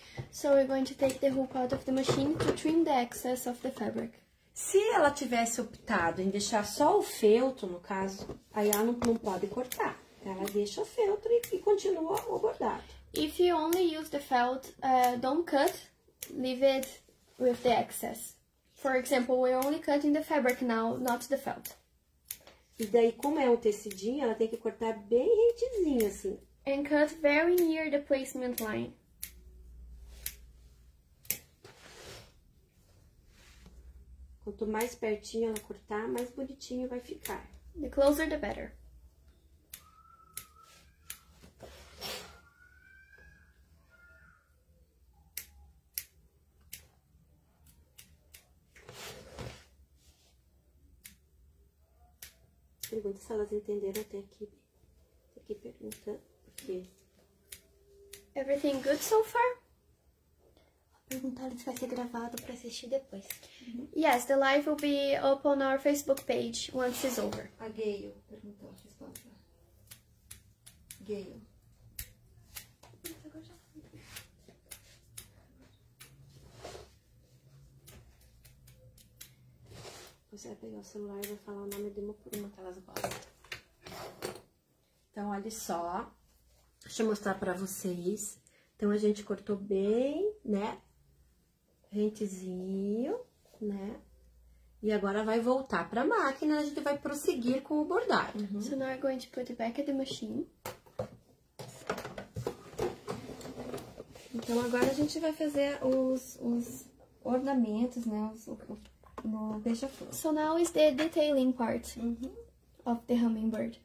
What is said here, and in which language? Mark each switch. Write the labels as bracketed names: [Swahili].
[English] So we're going to take the hoop out of the machine to trim the excess of the fabric. [Portuguese] Se ela tivesse optado em deixar só o feltro, no caso, aí ela não pode cortar. Ela deixa o feltro e continua o bordado. [English] If you only use the felt, don't cut, leave it with the excess. For example, we're only cutting the fabric now, not the felt. [Portuguese] E daí, como é um tecidinho, ela tem que cortar bem retinho assim. [English] And cut very near the placement line. [Portuguese] Quanto mais pertinho ela cortar, mais bonitinho vai ficar. [English] The closer, the better. [Portuguese] Pergunta se elas entenderam até aqui. Tem que perguntar por quê. [English] Everything good so far? [Portuguese] Perguntar se vai ser gravado para assistir depois. [English] Yes, the live will be up on our Facebook page once it's over. [Portuguese] A Gayle perguntou a resposta. Gayle. Você vai pegar o celular e vai falar o nome de uma por uma que elas gostam. Então, olha só. Deixa eu mostrar para vocês. Então, a gente cortou bem, né? Rentezinho, né? E agora vai voltar para a máquina, a gente vai prosseguir com o bordado. [English] So now we're going to put it back at the machine. [Portuguese] Então agora a gente vai fazer os ornamentos, né? No beija-flor. [English] So now is the detailing part of the hummingbird.